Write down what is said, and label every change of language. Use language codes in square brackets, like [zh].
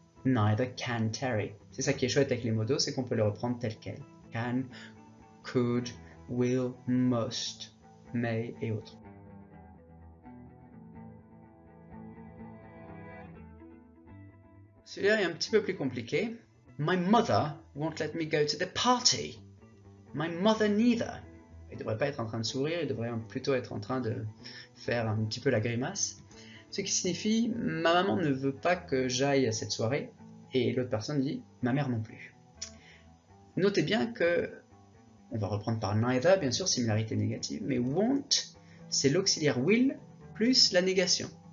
[en] Neither can Terry. [fr] C'est ça qui est chouette avec les modos, c'est qu'on peut les reprendre tel quel. Can, could, will, must, may et autres. Celui-là est un petit peu plus compliqué. [en] My mother won't let me go to the party. My mother neither. [fr] Il ne devrait pas être en train de sourire, il devrait plutôt être en train de faire un petit peu la grimace. Ce qui signifie, ma maman ne veut pas que j'aille à cette soirée. Et l'autre personne dit, ma mère non plus. Notez bien que, on va reprendre par neither, bien sûr, similarité négative, mais won't, c'est l'auxiliaire will plus la négation.